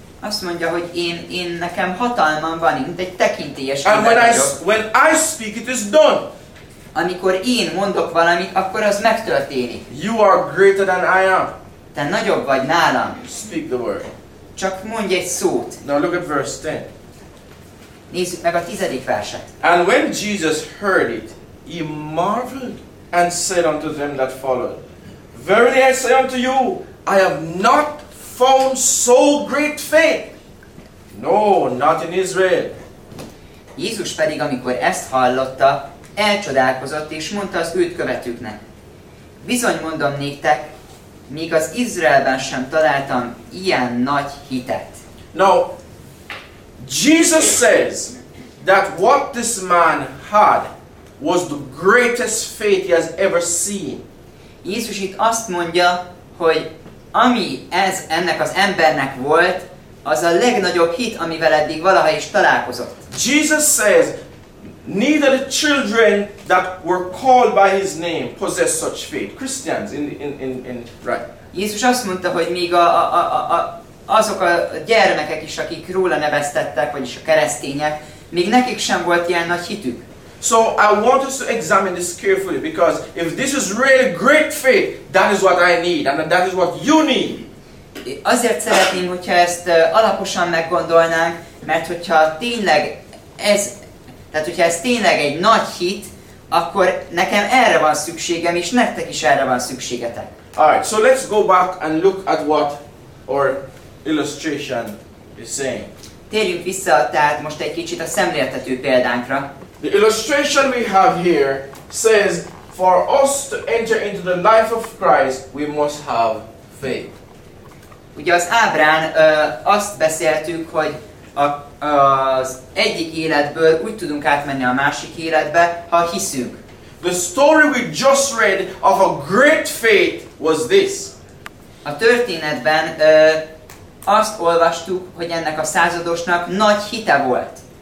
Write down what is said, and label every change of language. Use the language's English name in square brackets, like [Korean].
[Hungarian] Azt mondja, hogy én nekem hatalmam van, mint egy tekintélyes ember vagyok. [English] And when I speak, it is done. [Hungarian] Amikor én mondok valamit, akkor az megtörténik. [English] You are greater than I am. [Hungarian] Te nagyobb vagy nálam. [English] Speak the word. [Hungarian] Csak mondj egy szót. [English] Now look at verse 10. [Hungarian] Nézzük meg a 10. verset. [English] And when Jesus heard it, he marveled and said unto them that followed, verily I say unto you, I have not found so great faith. No, not in Israel. [Hungarian] Jézus pedig, amikor ezt hallotta, elcsodálkozott, és mondta az őt követőknek. Bizony mondom néktek, míg az Izraelben sem találtam ilyen nagy hitet. [English] Now, Jesus says that what this man had was the greatest faith he has ever seen. [Hungarian] Jézus itt azt mondja, hogy ami ez ennek az embernek volt, az a legnagyobb hit, amivel eddig valaha is találkozott. [English] Jesus says, neither the children that were called by his name possessed such faith. Christians in right. [Hungarian] Jézus azt mondta, hogy még azok a gyermekek is, akik róla neveztettek, vagyis a keresztények, még nekik sem volt ilyen nagy hitük. [English] So I want us to examine this carefully, because if this is really great faith, that is what I need, and that is what you need. [Hungarian] Azért szeretném, hogyha ezt alaposan meggondolnánk, mert hogyha tényleg ez, tehát hogyha ez tényleg egy nagy hit, akkor nekem erre van szükségem, és nektek is erre van szükségetek. [English] Alright, so let's go back and look at what our illustration is saying. [Hungarian] Térjünk vissza, tehát most egy kicsit a szemléltető példánkra. [English] The illustration we have here says, for us to enter into the life of Christ, we must have faith. [Hungarian] Ugye az ábrán azt beszéltük, hogy az egyik életből úgy tudunk átmenni a másik életbe, ha hiszünk. [English] The story we just read of a great faith was this. [Hungarian] A történetben azt olvastuk, hogy ennek a századosnak nagy hite volt.